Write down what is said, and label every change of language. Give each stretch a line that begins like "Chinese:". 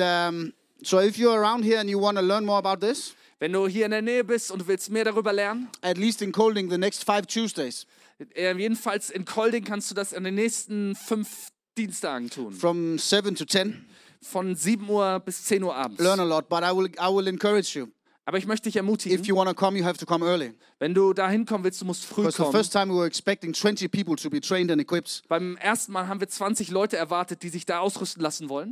English: And so if you're around here and you want to learn more about this,
German: wenn du hier in der Nähe bist und willst mehr darüber lernen,
English: at least in Kolding the next 5 Tuesdays.
German: Jedenfalls in Kolding kannst du das in den nächsten 5 Dienstagen tun.
English: From 7 to 10.
German: Von 7 Uhr bis 10 Uhr abends.
English: Learn a lot, but I will encourage you.
German: Aber ich möchte dich ermutigen.
English: If you want to come, you have to come early.
German: Wenn du da hinkommen willst, du musst früh kommen.
English: Because the first time we were expecting 20 people to be trained and equipped.
German: Beim ersten Mal haben wir 20 Leute erwartet, die sich da ausrüsten lassen wollen.